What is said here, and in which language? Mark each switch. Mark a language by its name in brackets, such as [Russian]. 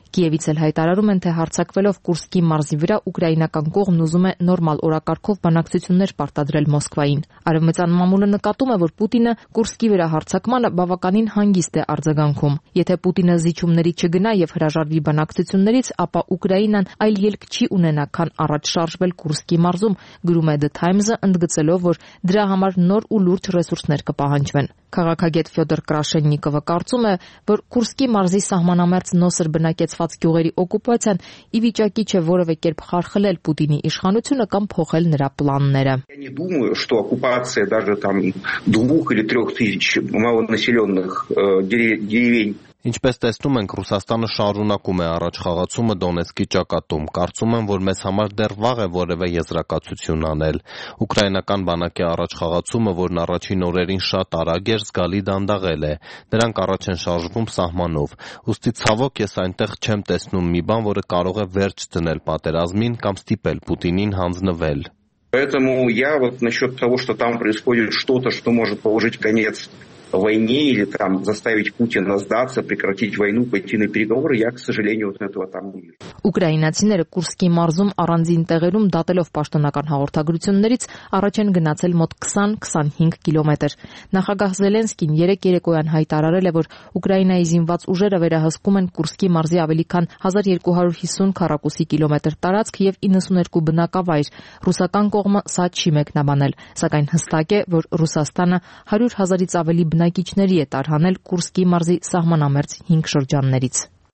[Armenian] Կիևից էլ հայտարարում են, թե հարձակվելով Կուրսկի մարզի վրա ուկրաինական կողմն ուզում է նորմալ օրակարգով բանակցություններ պարտադրել Մոսկվային։ Արևմտյան մամուլը նկատում է, որ Պուտինը Կուրսկի վրա հարձակմանը բավականին հանգիստ է արձագանքում։ Եթե Պուտինը զիջումների չգնա և հրաժարվի բանակցություններից, ապա Ուկրաինան այլ ելք չի ունենա, քան առաջ շարժվել Կուրսկի մարզում, գրում է The Times-ը, ընդգծելով, որ դրա համար նոր ու լուրջ ռեսուրսներ կպահանջվեն։ Քաղաքագետ Ֆյոդոր Կրաշենիկովը կարծում է, որ Կուրսկի մարզի սահմանամերձ նոսր բնակեցված գյուղերի օկուպացիան ի վիճակի չէ որևէ կերպ խարխլել Պուտինի իշխանությունը կամ փոխել նրա պլանները։ [Russian] Я думаю, что оккупация даже там 2 или 3 тысяч малонаселённых деревень. [Armenian] Ինչպես տեսնում ենք, Ռուսաստանը շարունակում է առաջխաղացումը Դոնեցկի ճակատում։ Կարծում եմ, որ մեզ համար դեռ վաղ է եզրակացություն անել։ Ուկրաինական բանակի առաջխաղացումը, որն առաջին օրերին շատ արագ էր զգալի դանդաղել է, նրանք առաջ են շարժվում սահմանով։ Ուստի ցավոք ես այնտեղ չեմ տեսնում մի բան, որը կարող է վերջ դնել պատերազմին կամ ստիպել Պուտինին հանձնվել։ [Russian] Поэтому я вот насчёт того, что там происходит что-то, что может положить конец войне или там заставить Путина сдаться, прекратить войну, пойти на переговоры, я, к сожалению, вот этого там не вижу. [Armenian] Ուկրաինացիները Կուրսկի մարզում առանձին տեղերում դատելով պաշտոնական հաղորդագրություններից առաջ են գնացել մոտ 20-25 կիլոմետր։ Նախագահ Զելենսկին 3-3-օյան հայտարարել է, որ Ուկրաինայի զինված ուժերը վերահսկում են Կուրսկի մարզի ավելի քան 1250 քառակուսի կիլոմետր տարածք և 92 բնակավայր։ Ռուսական կողմը սա չի մեկնաբանել, սակայն հստակ է, որ Ռուսաստանը 100 հազարից ավելի բնակիչների է տարհանել Կուրսկի մարզի սահմանամերձ 5 շրջաններից։